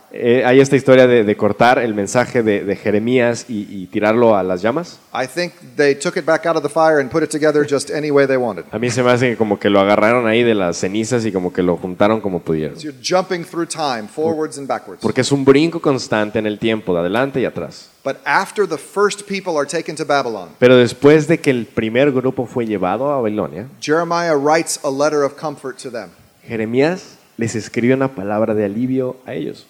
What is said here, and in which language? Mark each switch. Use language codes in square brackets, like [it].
[es] Hay esta historia de cortar el mensaje de Jeremías y tirarlo a las llamas. [en] I think they took it back out of the fire and put it together just any way they wanted. [es] A mí se me hace que como que lo agarraron ahí de las cenizas y como que lo juntaron como pudieron. [en] So you're jumping through time, forwards and backwards. [es] Porque es un brinco constante en el tiempo, de adelante y atrás. [en] But after the first people are taken to Babylon. [es] Pero después de que el primer grupo fue llevado a Babilonia. [en] Jeremiah writes a letter of comfort to them. [es] Jeremías les escribe una palabra de alivio a ellos.